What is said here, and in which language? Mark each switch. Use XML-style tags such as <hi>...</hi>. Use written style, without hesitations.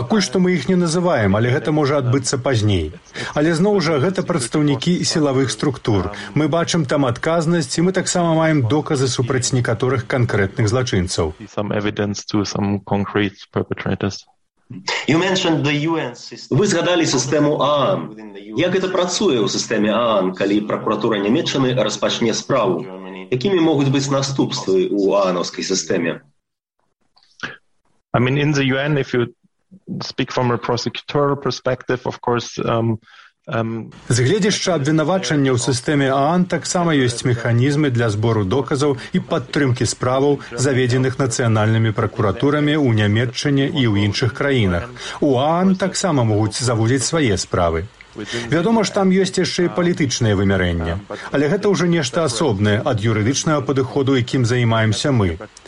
<be>Пакуль што мы іх не называем, але гэта можа адбыцца пазней. Але зноў жа, гэта прадстаўнікі сілавых структур. Мы бачым там адказнасць, і мы таксама маем доказы супраць некаторых канкрэтных злачынцаў.</be> <en>Some evidence to some concrete perpetrators. You mentioned the UN system.</en> <be>Ви згадалі сістэму ААН. Як гэта працуе ў сістэме ААН, калі пракуратура Нямеччыны распачне справу? Якімі могуць быць наступствы ў ААНаўскай сістэме?</be> <en>I mean, in the UN, if you speak from a prosecutorial perspective, of course...</en> <be>З гледзяща абвінавачання ў сістэме ААН таксама ёсць механізмы для збору доказаў і падтрымкі справаў, заведзеных нацыянальнымі пракуратурамі ў Нямеччыне і ў іншых краінах. У ААН таксама могуць заводзіць свае справы. Вядома ж, там ёсць яшчэ і палітычнае вымярэнне, але гэта ўжо нешта асобнае ад юрыдычнага падыходу, якім займаемся мы.</be>